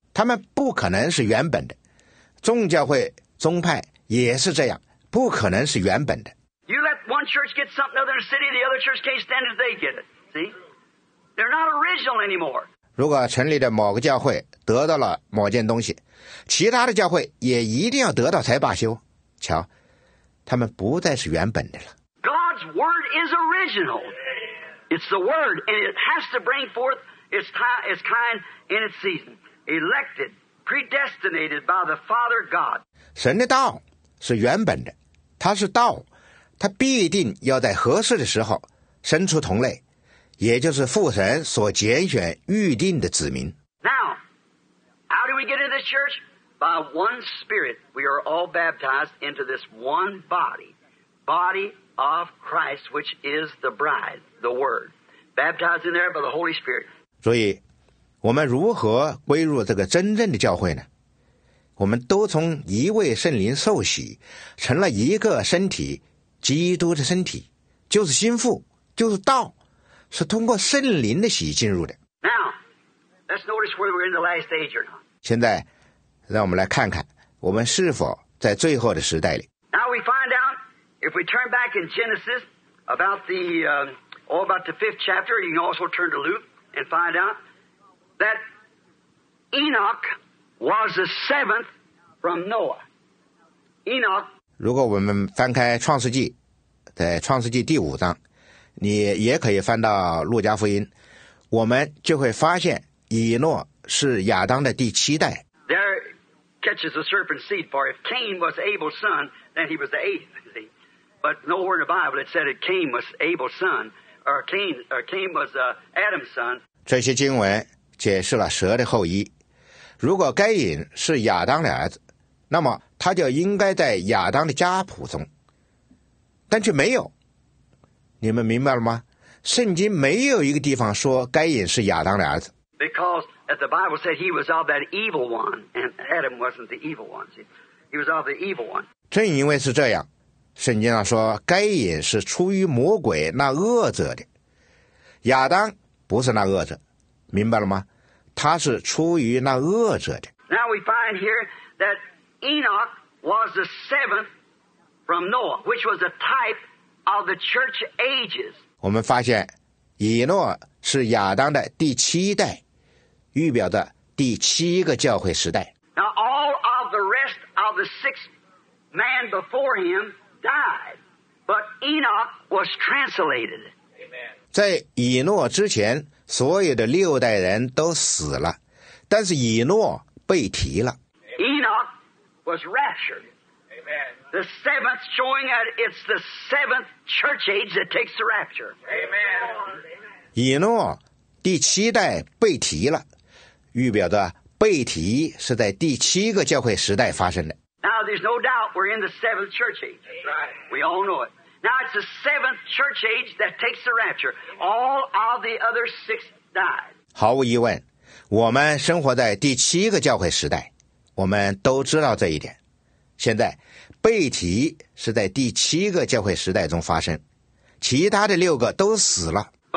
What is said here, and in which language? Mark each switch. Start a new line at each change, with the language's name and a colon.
Chinese: 他们不可能是原本的，众教会宗派也是这样，不可能是原本的。
English: You let one church get something other than the city, the other church can't stand it, they get it. See? They're not original anymore.
Chinese: 如果城里的某个教会得到了某件东西，其他的教会也一定要得到才罢休。瞧，他们不再是原本的了。
English: God's word is original. It's the word, and it has to bring forth its time, its kind in its season. Elected, predestinated by the Father God.
Chinese: 神的道是原本的，它是道，它必定要在合适的时候生出同类，也就是父神所拣选预定的子民。
English: Now, how do we get into this church? By one spirit, we are all baptized into this one body, body of Christ, which is the bride, the word. Baptized in there by the Holy Spirit.
Chinese: 所以我们如何归入这个真正的教会呢？我们都从一位圣灵受洗，成了一个身体，基督的身体，就是心腹，就是道，是通过圣灵的洗进入的。
English: Now, let's notice whether we're in the last age or not.
Chinese: 现在，让我们来看看我们是否在最后的时代里。
English: Now we find out if we turn back in Genesis about the or about the fifth chapter, you can also turn to Luke and find out that Enoch was the seventh from Noah. Enoch.
Chinese: 如果我们翻开《创世纪》，在《创世纪》第五章。你也可以翻到《路加福音》，我们就会发现以诺是亚当的第七代。
English: There catches the serpent seed. For if Cain was Abel's son, then he was the eighth. But nowhere in the Bible it said that Cain was Abel's son, or Cain, or Cain was Adam's son.
Chinese: 这些经文解释了蛇的后裔。如果该隐是亚当的儿子，那么他就应该在亚当的家谱中，但却没有。你们明白了吗？圣经没有一个地方说该隐是亚当的儿子。
English: Because the Bible said he was of that evil one, and Adam wasn't the evil one. He was of the evil one.
Chinese: 正因为是这样，圣经上说该隐是出于魔鬼那恶者的，亚当不是那恶者，明白了吗？他是出于那恶者的。
English: Now we find here that Enoch was the seventh from Noah, which was a type of the church ages.
Chinese: 我们发现以诺是亚当的第七代，预表的第七个教会时代。
English: Now all of the rest of the six men before him died, but Enoch was translated. Amen.
Chinese: 在以诺之前，所有的六代人都死了，但是以诺被提了。
English: Enoch was raptured. Amen. The seventh, showing that it's the seventh church age that takes the rapture. Amen.
Chinese: 以诺第七代被提了，预表的被提是在第七个教会时代发生的。
English: Now there's no doubt we're in the seventh church age. That's right. We all know it. Now it's the seventh church age that takes the rapture. All of the other six died.
Chinese: 毫无疑问，我们生活在第七个教会时代，我们都知道这一点。现在被提是在第七个教会时代中发生，其他的六个都死了。